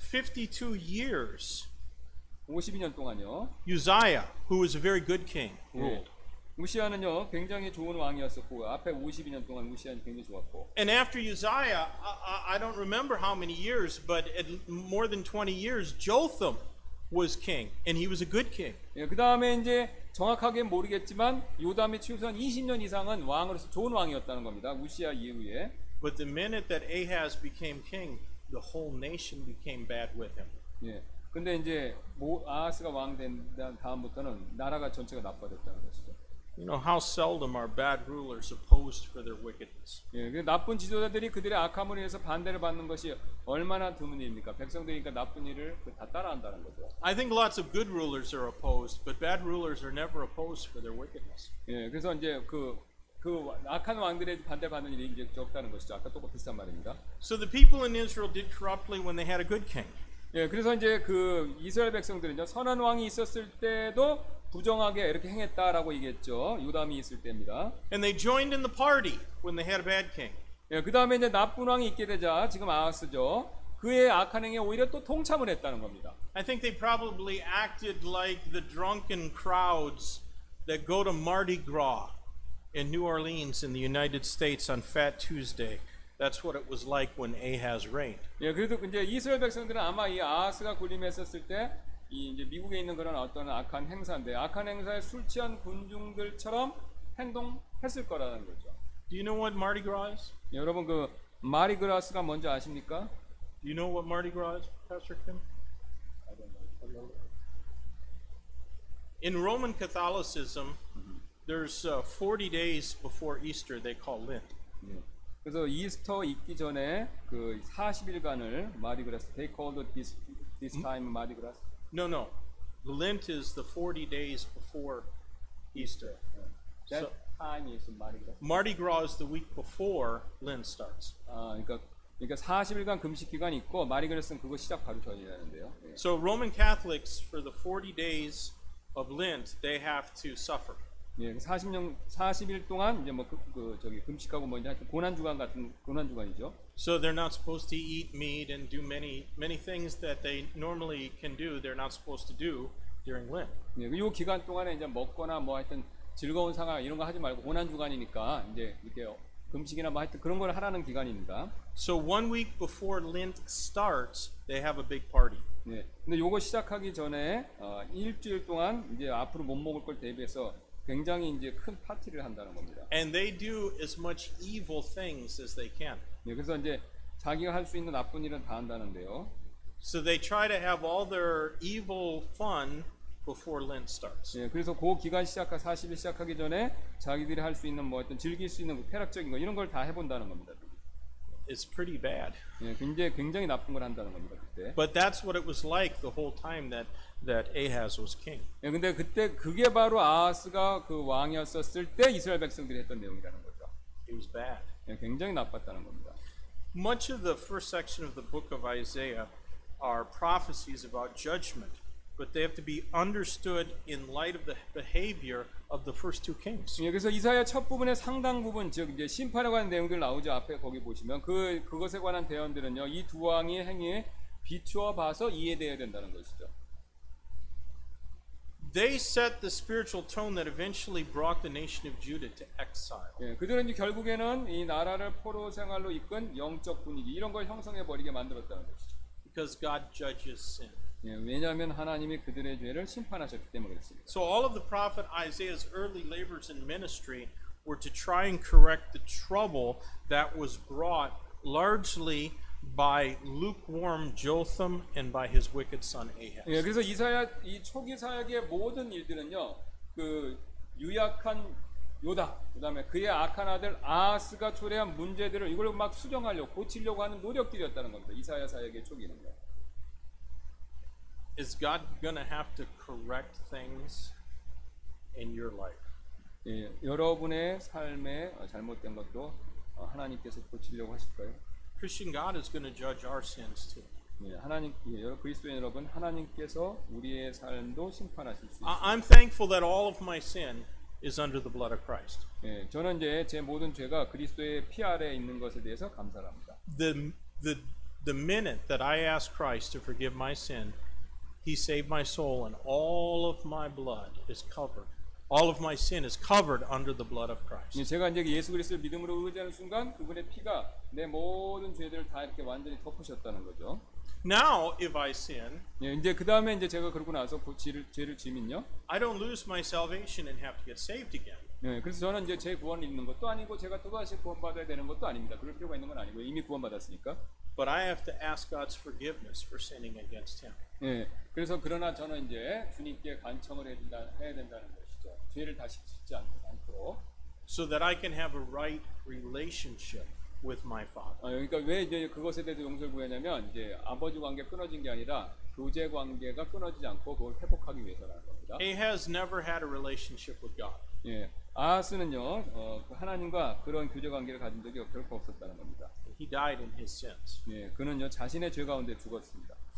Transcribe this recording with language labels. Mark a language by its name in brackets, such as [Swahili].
[English] 52 years. [Korean] 52년 동안요. [English] Uzziah, who was a very good king, ruled. [Korean] 예. 우시아는요 굉장히 좋은 왕이었었고 앞에 52년 동안 우시아는 굉장히 좋았고. [English] And after Uzziah, I don't remember how many years, but at more than 20 years, Jotham was king, and he was a good king. [Korean] 예, 그 다음에 이제 정확하게 모르겠지만 요담이 최소한 20년 이상은 왕으로서 좋은 왕이었다는 겁니다. 우시아 이후에. [English] But the minute that Ahaz became king, the whole nation became bad with him. [Korean] 예. 근데 이제 아하스가 왕 된 다음부터는 나라가 전체가 나빠졌다는 것이죠. [English] You know how seldom are bad rulers opposed for their wickedness. [Korean] 예, 나쁜 지도자들이 그들의 악함으로 인해서 반대를 받는 것이 얼마나 드문 일입니까? 백성들이니까 나쁜 일을 다 따라한다는 거죠. [English] I think lots of good rulers are opposed, but bad rulers are never opposed for their wickedness. [Korean] 예, 그래서 이제 그 악한 왕들의 반대받는 일이 이제 적다는 것이죠. 아까 또 비슷한 말입니다. [English] So the people in Israel did corruptly when they had a good king. [Korean] 예, 그래서 이제 그 이스라엘 백성들은요 선한 왕이 있었을 때도 부정하게 이렇게 행했다라고 얘기했죠. 요담이 있을 때입니다. [English] And they joined in the party when they had a bad king. [Korean] 예, 그다음에 이제 나쁜 왕이 있게 되자 지금 아하스죠. 그의 악한 행위에 오히려 또 동참을 했다는 겁니다. [English] I think they probably acted like the drunken crowds that go to Mardi Gras in New Orleans in the United States on Fat Tuesday. That's what it was like when Ahaz reigned. [Korean] 예, 그래도 이제 이스라엘 백성들은 아마 이 아하스가 군림했었을 때 이 이제 미국에 있는 그런 어떤 악한 행사인데 악한 행사에 술 취한 군중들처럼 행동했을 거라는 거죠. [English] Do you know what Mardi Gras is? [Korean] 여러분 그 마리 그라스가 뭔지 아십니까? [English] Do you know what Mardi Gras is, Pastor Kim? I don't know. In Roman Catholicism, there's 40 days before Easter they call Lent. [Korean] 그래서 이스터 있기 전에 그 40일간을 마리 그라스 [English] they called this time Mardi Gras. No. Lent is the 40 days before Easter. That so, time is Mardi Gras. Mardi Gras is the week before Lent starts. [Korean] 그러니까 40일간 금식 기간이 있고 마리 그라스는 그거 시작 바로 전이라는데요. [English] So Roman Catholics for the 40 days of Lent, they have to suffer. [Korean] 예, 40년 40일 동안 이제 뭐 저기 금식하고 뭐 이제 고난 주간 같은 고난 주간이죠. [English] So they're not supposed to eat meat and do many things that they normally can do. They're not supposed to do during Lent. [Korean] 예, 이 기간 동안에 이제 먹거나 뭐 하여튼 즐거운 생활 이런 거 하지 말고 고난 주간이니까 이제 이렇게 금식이나 뭐 하여튼 그런 걸 하라는 기간입니다. [English] So one week before Lent starts, they have a big party. [Korean] 예, 근데 요거 시작하기 전에 일주일 동안 이제 앞으로 못 먹을 걸 대비해서 굉장히 이제 큰 파티를 한다는 겁니다. [English] And they do as much evil things as they can. [Korean] 예, 그래서 이제 자기가 할 수 있는 나쁜 일은 다 한다는데요. [English] So they try to have all their evil fun before Lent starts. [Korean] 예, 그래서 그 기간 시작과 40일 시작하기 전에 자기들이 할 수 있는 뭐 어떤 즐길 수 있는 쾌락적인 거 이런 걸 다 해본다는 겁니다. [English] It's pretty bad. [Korean] 예, 굉장히 나쁜 걸 한다는 겁니다. [English] But that's what it was like the whole time that Ahaz was king. [Korean] 예, 근데 그때 그게 바로 아하스가 그 왕이었었을 때 이스라엘 백성들이 했던 내용이라는 거죠. [English] It was bad. [Korean] 예, 굉장히 나빴다는 겁니다. [English] Much of the first section of the book of Isaiah are prophecies about judgment, but they have to be understood in light of the behavior of the first two kings. [Korean] 예, 그래서 이사야 첫 부분의 상당 부분 즉 이제 심판에 관한 내용들 나오죠. 앞에 거기 보시면 그것에 관한 대언들은요. 이 두 왕의 행위에 비추어 봐서 이해되어야 된다는 것이죠. [English] They set the spiritual tone that eventually brought the nation of Judah to exile. [Korean] 예, 그들은 결국에는 이 나라를 포로 생활로 이끈 영적 분위기 이런 걸 형성해 버리게 만들었다는 것이죠. [English] Because God judges sin. [Korean] 예, 왜냐하면 하나님이 그들의 죄를 심판하셨기 때문입니다. [English] So all of the prophet Isaiah's early labors in ministry were to try and correct the trouble that was brought largely by lukewarm Jotham and by his wicked son Ahaz. [Korean] 예, 그래서 이사야 이 초기 사역의 모든 일들은요, 그 유약한 요다, 그다음에 그의 악한 아들 아하스가 초래한 문제들을 이걸 막 수정하려고 고치려고 하는 노력들이었다는 겁니다. 이사야 사역의 초기는요. [English] Is God gonna have to correct things in your life? [Korean] 예, 여러분의 삶에 잘못된 것도 하나님께서 고치려고 하실까요? [English] Christian God is going to judge our sins too. [Korean] 예, 하나님, 예, 그리스도인 여러분, 하나님께서 우리의 삶도 심판하실 수 있습니다. [English] I'm thankful that all of my sin is under the blood of Christ. [Korean] 예, 저는 이제 제 모든 죄가 그리스도의 피 아래 있는 것에 대해서 감사합니다. [English] The minute that I ask Christ to forgive my sin, He saved my soul, and all of my blood is covered. All of my sin is covered under the blood of Christ. [Korean] 제가 이제 예수 그리스도를 믿음으로 의지하는 순간 그분의 피가 내 모든 죄들을 다 이렇게 완전히 덮으셨다는 거죠. [English] Now if I sin, [Korean] 이제 그다음에 이제 제가 그러고 나서 죄를 지면요. [English] I don't lose my salvation and have to get saved again. [Korean] 그래서 저는 이제 제 구원을 잃는 것도 아니고 제가 또 다시 구원받아야 되는 것도 아닙니다. 그럴 필요가 있는 건 아니고 이미 구원받았으니까. [English] But I have to ask God's forgiveness for sinning against him. [Korean] 예. 그래서 그러나 저는 이제 주님께 간청을 해야 된다는 거예요. 죄를 다시 짓지 않도록 [English] so that I can have a right relationship with my father. [Korean] 그러니까 왜 이제 그것에 대해서 용서를 구하냐면 이제 아버지 관계 끊어진 게 아니라 교제 관계가 끊어지지 않고 그걸 회복하기 위해서라는 겁니다. [English] He has never had a relationship with God. [Korean] 예. 아하스는요. 하나님과 그런 교제 관계를 가진 적이 결코 없었다는 겁니다. [English] He died in his sins. [Korean] 예. 그는요. 자신의 죄 가운데 죽었습니다.